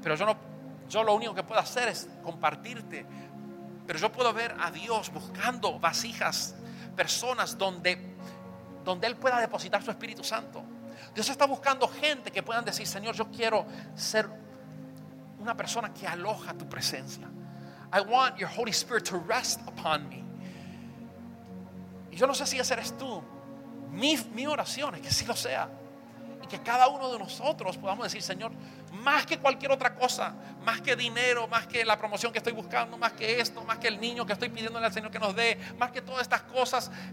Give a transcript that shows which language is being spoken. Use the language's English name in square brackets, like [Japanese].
[Spanish] Pero yo lo único que puedo hacer es compartirte. Pero yo puedo ver a Dios buscando vasijas, personas donde Él pueda depositar su Espíritu Santo. Dios está buscando gente que puedan decir, Señor, yo quiero ser una persona que aloja tu presencia. [English] I want your Holy Spirit to rest upon me. [Spanish] Y yo no sé si ese eres tú. Mi oración es que sí lo sea, y que cada uno de nosotros podamos decir, Señor, más que cualquier otra cosa, más que dinero, más que la promoción que estoy buscando, más que esto, más que el niño que estoy pidiéndole al Señor que nos dé, más que todas estas cosas,